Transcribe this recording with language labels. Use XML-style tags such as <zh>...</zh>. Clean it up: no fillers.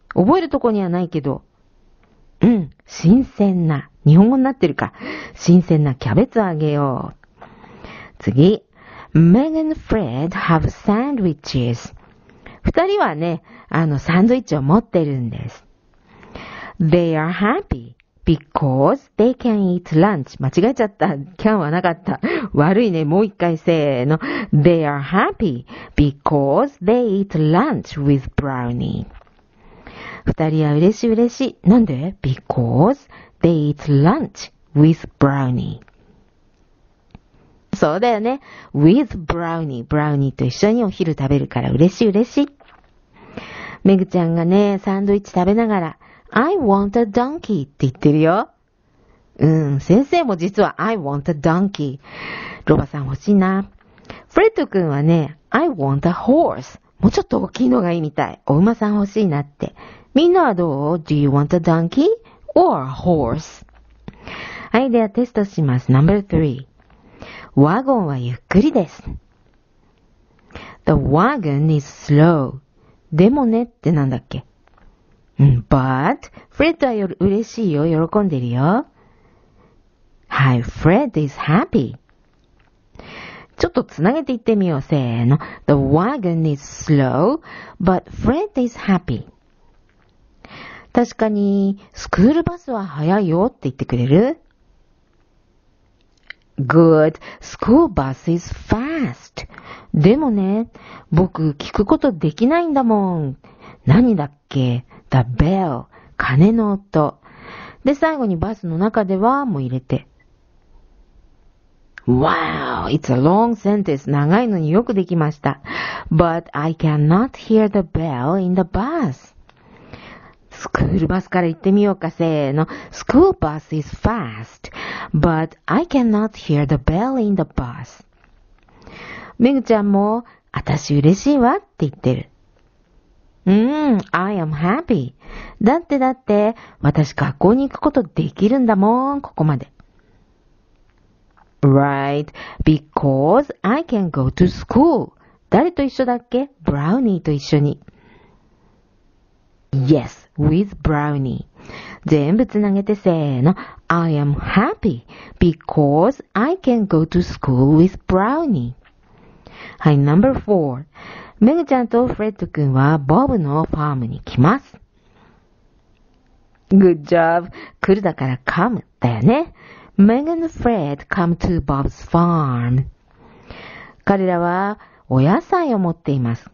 <ja>覚えるとこにはないけど。新鮮な。日本語になってるか。新鮮なキャベツをあげよう。</ja> <en>次。Meg and Fred have sandwiches.</en> <ja>二人はね、サンドイッチを持ってるんです。</ja> <en>They are happy because they can eat lunch.</en> <ja>間違えちゃった。can はなかった。悪いね。もう一回せーの。</ja> <en>They are happy because they eat lunch with brownie.</en> <ja>二人は嬉しい嬉しい。なんで？</ja> <en>Because they eat lunch with brownie.</en> <ja>そうだよね。</ja> <en>with brownie.</en> <ja>brownie と一緒にお昼食べるから嬉しい嬉しい。めぐちゃんがね、サンドイッチ食べながら、</ja> <en>I want a donkey</en> <ja>って言ってるよ。先生も実は</ja> <en>I want a donkey。</en> <ja>ロバさん欲しいな。フレッド君はね、</ja> <en>I want a horse。</en> <ja>もうちょっと大きいのがいいみたい。お馬さん欲しいなって。みんなはどう？</ja> <en>Do you want a donkey or a horse?</en> <ja>はい、ではテストします。Number 3。ワゴンはゆっくりです。</ja> <en>The wagon is slow.</en> <ja>でもねってなんだっけ。 But Fred は嬉しいよ、喜んでるよ。</ja> <en>はい、Fred is happy.</en> <ja>ちょっとつなげていってみよう。</ja> <en>せーの、The wagon is slow, but Fred is happy.</en> <ja>確かにスクールバスは速いよって言ってくれる。</ja> <en>Good. School bus is fast.</en> <ja>でもね、僕聞くことできないんだもん。何だっけ ?The bell. 鐘の音。で、最後にバスの中ではも入れて。</ja> <en>Wow! It's a long sentence.</en> <ja>長いのによくできました。</ja> <en>But I cannot hear the bell in the bus.</en> <ja>スクールバスから行ってみようか。</ja> <en>せーの。School bus is fast. But I cannot hear the bell in the bus.</en> <ja>めぐちゃんも、あたし嬉しいわって言ってる。</ja> <en>I am happy.</en> <ja>だってだって、私学校に行くことできるんだもん、ここまで。</ja> <en>Right, because I can go to school.</en> <ja>誰と一緒だっけ ?Brownie と一緒に。</ja> <en>Yes, with Brownie.</en> <ja>全部つなげてせーの。</ja> <en>I am happy because I can go to school with Brownie. はい、number four.</en> <ja>メグちゃんとフレッド君はボブのファームに来ます。</ja> <en>Good job.</en> <ja>来るだから</ja> <en>come だよね。Meg and Fred come to Bob's farm.</en> <ja>彼らはお野菜を持っています。</ja>